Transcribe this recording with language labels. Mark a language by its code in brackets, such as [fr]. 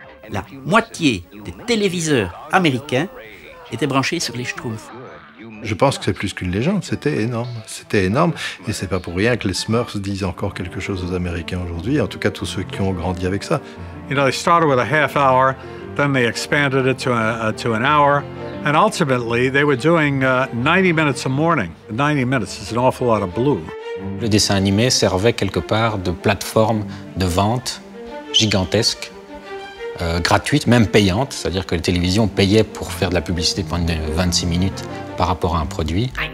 [fr] La moitié des téléviseurs américains étaient branchés sur les Schtroumpfs. Je pense que c'est plus qu'une légende, c'était énorme. C'était énorme, et c'est pas pour rien que les Smurfs disent encore quelque chose aux Américains aujourd'hui, en tout cas tous ceux qui ont grandi avec ça. [en] You know, they started with a half hour, then they expanded it to an hour, and ultimately they were doing 90 minutes a morning. 90 minutes is an awful lot of blue. [fr] Le dessin animé servait quelque part de plateforme de vente gigantesque, gratuite, même payante, c'est-à-dire que les télévisions payaient pour faire de la publicité pendant 26 minutes par rapport à un produit.